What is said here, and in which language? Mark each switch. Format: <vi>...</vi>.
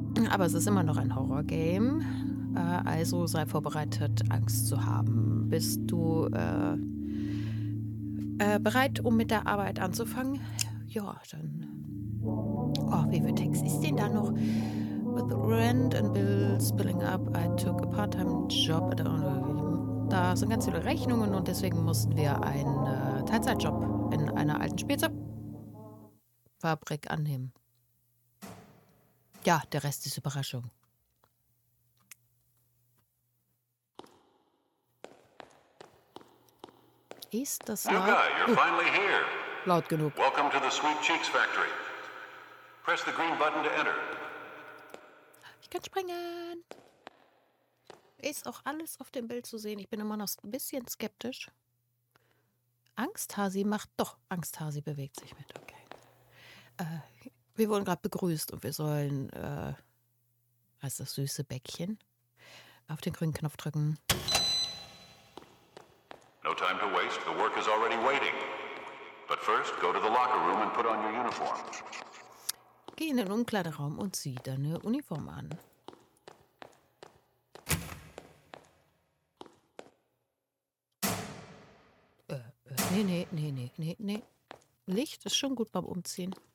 <de>Aber es ist immer noch ein Horrorgame. Also sei vorbereitet, Angst zu haben. Bist du... bereit, um mit der Arbeit anzufangen? Ja, dann... Oh, wie viel Text ist denn da noch?</de> <en>With rent and bills spilling up, I took a part-time job.</en> <de>Da sind ganz viele Rechnungen und deswegen mussten wir einen Teilzeitjob in einer alten Spielzeugfabrik annehmen. Ja, der Rest ist Überraschung. Ist das laut?</de> <en>Yuga, you're finally here.</en> <de>Laut genug.</de> <en>Welcome to the Sweet Cheeks Factory. Press the green button to enter.</en> <de>Ich kann springen. Ist auch alles auf dem Bild zu sehen. Ich bin immer noch ein bisschen skeptisch. Angsthasi macht... Doch, Angsthasi bewegt sich mit. Okay. Wir wurden gerade begrüßt und wir sollen... als das süße Bäckchen auf den grünen Knopf drücken.</de> <en>No time to waste. The work is already waiting. But first, go to the locker room and put on your uniform.</en> <de>Geh in den Umkleideraum und zieh deine Uniform an. Nee. Licht ist schon gut beim Umziehen.</de>